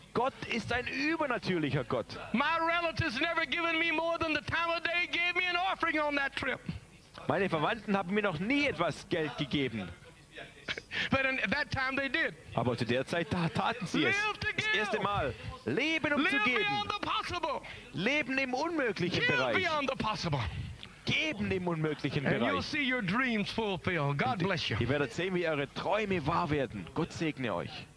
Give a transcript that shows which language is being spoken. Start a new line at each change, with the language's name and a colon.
German: Gott ist ein übernatürlicher Gott.
English: My relatives never given me more than the time of day gave me an offering on that trip.
German: Meine Verwandten haben mir noch nie etwas Geld gegeben.
English: But at that time they did.
German: Aber zu der Zeit taten sie es. Das erste Mal. Leben um
English: live
German: zu geben.
English: Beyond the possible.
German: Leben im unmöglichen
English: give
German: Bereich.
English: Beyond the possible.
German: Geben im unmöglichen
English: and
German: Bereich.
English: You'll see your dreams fulfilled. God bless you.
German: Ihr werdet sehen, wie eure Träume wahr werden. Gott segne euch.